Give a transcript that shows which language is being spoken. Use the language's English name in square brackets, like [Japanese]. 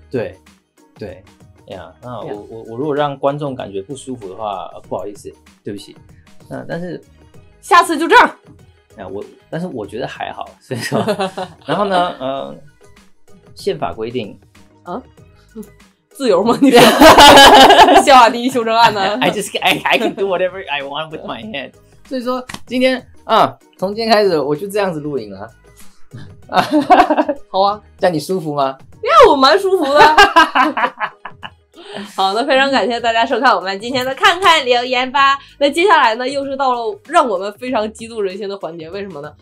[Chinese] 对，对，哎呀，那我如果让观众感觉不舒服的话，不好意思，对不起。但是下次就这样、啊、但是我觉得还好，所以说然后呢宪法规定啊自由吗？你说宪法第一修正案呢？ [English] I can do whatever I want with my head。 [Chinese] 所以说今天啊，从今天开始我就这样子录影了。好啊，这样你舒服吗？呀，我蛮舒服的。好的，非常感谢大家收看我们今天的看看留言吧。那接下来呢，又是到了让我们非常激动人心的环节。为什么呢？